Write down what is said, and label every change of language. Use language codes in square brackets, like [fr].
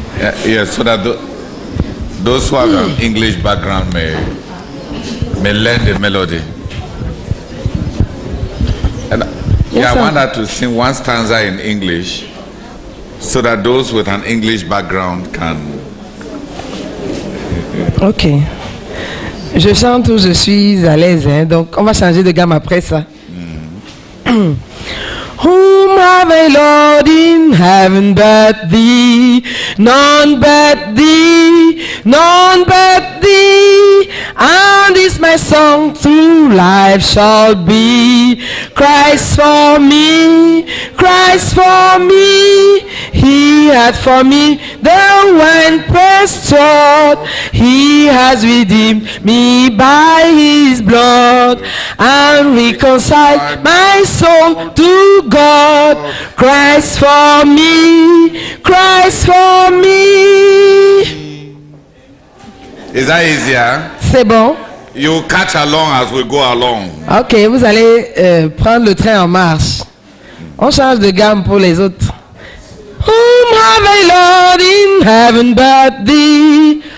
[en] Yeah, yeah, so that those who have an English background may learn the melody. And yes, yeah, I want her to sing one stanza in English so that those with an English background can. Ok. [fr] Je chante où je suis à l'aise, hein, donc on va changer de gamme après ça. [en] Whom have I Lord in heaven but thee, none but thee, none but thee, and is my song through life shall be, Christ for me, Christ for me, he hath for me the wine pressed taught, he has redeemed me by his blood, and reconciled my soul to God, Christ for me, Christ for me. Is that easier? [fr] C'est bon. [en] You catch along as we go along. [fr] Ok, vous allez prendre le train en marche. On change de gamme pour les autres. [en] Whom have I Lord in heaven but thee?